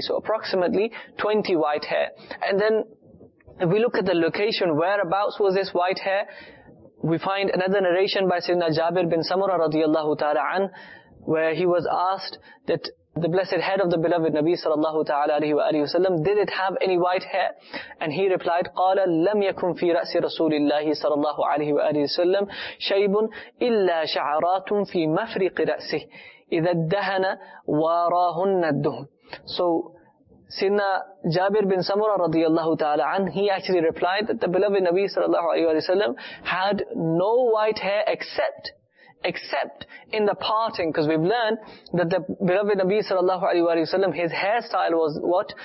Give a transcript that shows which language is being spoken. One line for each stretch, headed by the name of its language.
English: So approximately 20 white hair. And then if we look at the location, whereabouts was this white hair, we find another narration by Sayyidina Jabir bin Samura radiyallahu ta'ala an, where he was asked that the blessed head of the beloved Nabi sallallahu ta'ala alayhi wa sallam, did it have any white hair? And he replied,
Arabic: قَالَ لَمْ يَكُمْ فِي رَأْسِ رَسُولِ اللَّهِ sallallahu alayhi wa sallam شَيْبٌ إِلَّا شَعَرَاتٌ فِي مَفْرِقِ رَأْسِهِ إِذَا الدَّهَنَ وَارَاهُنَّ الدُّهُنَ.
English: So Sayyidina Jabir bin Samura radiyallahu ta'ala an, he actually replied that the beloved Nabi sallallahu alayhi wa sallam had no white hair except in the parting, because we've learned that the beloved Nabi sallallahu alayhi wa sallam, his hairstyle was what?